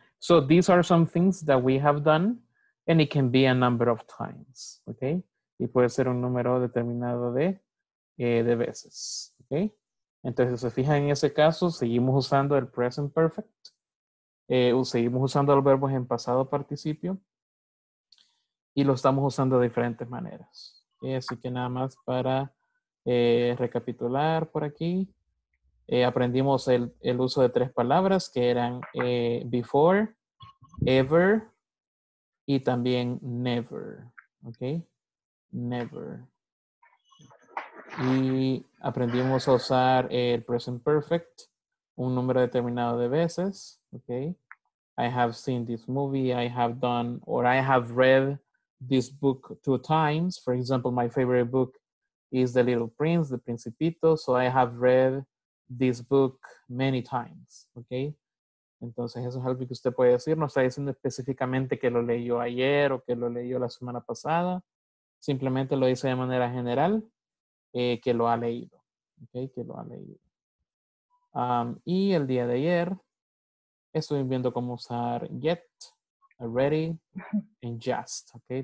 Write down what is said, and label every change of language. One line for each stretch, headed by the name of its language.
English: So these are some things that we have done and it can be a number of times, okay?
Spanish: Y puede ser un número determinado de veces, okay? Entonces, se fijan en ese caso, seguimos usando el present perfect, seguimos usando los verbos en pasado participio, y lo estamos usando de diferentes maneras. Así que nada más para recapitular por aquí. Aprendimos el uso de 3 palabras que eran before, ever y también never. ¿Ok? Never. Y aprendimos a usar el present perfect un número determinado de veces. ¿Ok?
English: I have seen this movie, I have done, or I have read this book 2 times. For example, my favorite book is The Little Prince, The Principito. So I have read this book many times. Okay.
Spanish: Entonces, eso es algo que usted puede decir. No está diciendo específicamente que lo leyó ayer o que lo leyó la semana pasada. Simplemente lo dice de manera general que lo ha leído. Okay. Que lo ha leído. Y el día de ayer estuve viendo cómo usar yet, already, and just, okay?